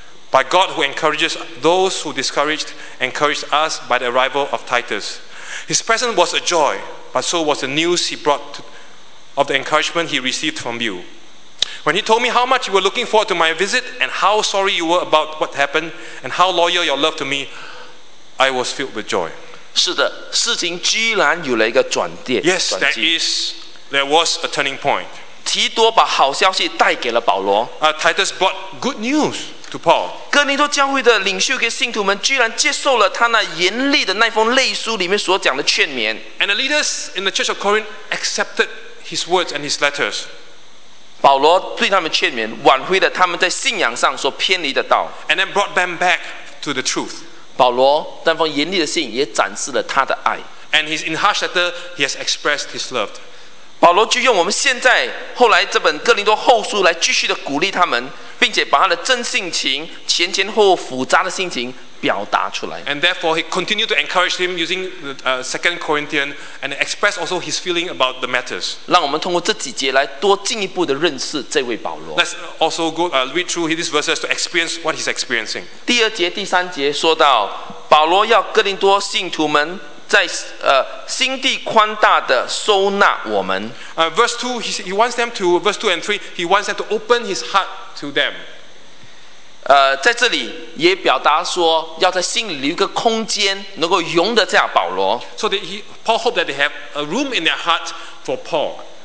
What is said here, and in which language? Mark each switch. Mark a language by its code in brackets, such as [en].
[en] By God who encourages those who discouraged, encouraged us by the arrival of Titus. His presence was a joy, but so was the news he brought of the encouragement he received from you. When he told me how much you were looking forward to my visit and how sorry you were about what happened and how loyal your love to me, I was filled with joy. [zh] 是的，事情居然有了一个转变。 [en] Yes, there was a turning point. [zh] 提多把好消息带给了保罗。 [en] Titus brought good news. To Paul. [zh] 哥林多教会的领袖给信徒们居然接受了他那严厉的那封泪书里面所讲的劝勉。 [en] And the leaders in the church of Corinth accepted his words and his letters. [zh] 保罗对他们劝勉，挽回了他们在信仰上所偏离的道。 [en] And then brought them back to the truth. [zh] 保罗那封严厉的信也展示了他的爱。 [en] And his in harsh letter, he has expressed his love. [zh] 保罗就用我们现在后来这本哥林多后书来继续的鼓励他们，并且把他的真性情、前前后复杂的心情表达出来。 [en] And therefore, he continued to encourage him using the Second Corinthians and express also his feeling about the matters. [zh] 让我们通过这几节来多进一步的认识这位保罗。 [en] Let's also go read through these verses to experience what he's experiencing. [zh] 第二节、第三节说到保罗要哥林多信徒们。在心地宽大的收纳我们。 [en] Verse 2, he wants them to, verse 2 and 3, he wants them to open his heart to them. [zh] 在这里也表达说要在心里留一个空间能够容得下保罗。 [en] So that Paul hoped that they have a room in their heart for Paul.